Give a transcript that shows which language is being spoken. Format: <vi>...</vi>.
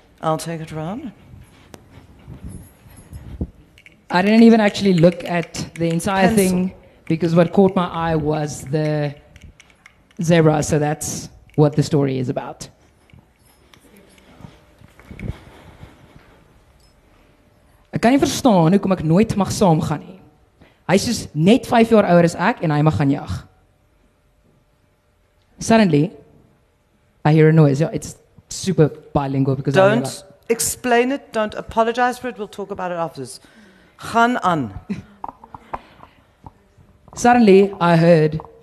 <en>I'll take it around. I didn't even actually look at the entire pencil thing, because what caught my eye was the zebra, so that's what the story is about.</en> <af>Ek kan nie verstaan hoekom ek nooit mag saamgaan nie. Hy is net 5 jaar ouer as ek en hy mag gaan jag.</af> <en>Suddenly, I hear a noise. Yeah, it's super bilingual because don't explain it, don't apologize for it, we'll talk about it afterwards.</en> <af>Gaan aan.</af> <en>Suddenly, I heard</en>